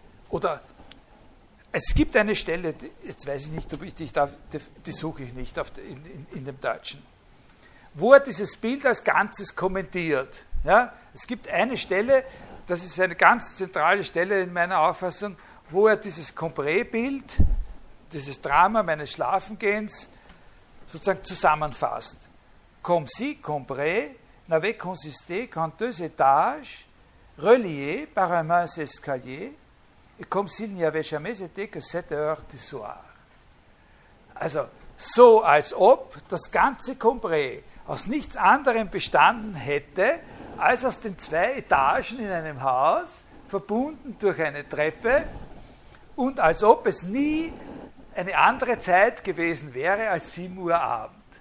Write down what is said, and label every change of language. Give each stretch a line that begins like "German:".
German: Oder es gibt eine Stelle, jetzt weiß ich nicht, ob ich dich darf, die suche ich nicht in dem Deutschen, wo er dieses Bild als Ganzes kommentiert. Ja, es gibt eine Stelle, das ist eine ganz zentrale Stelle in meiner Auffassung, wo er dieses Compré-Bild, dieses Drama meines Schlafengehens, sozusagen zusammenfasst.
French: Comme si Compré n'avait consisté qu'en deux étages reliés par un mince escalier et comme s'il n'y avait jamais été que 7 heures du soir.
German: Also, so als ob das ganze Compré aus nichts anderem bestanden hätte, als aus den zwei Etagen in einem Haus, verbunden durch eine Treppe, und als ob es nie eine andere Zeit gewesen wäre als 7 Uhr Abend.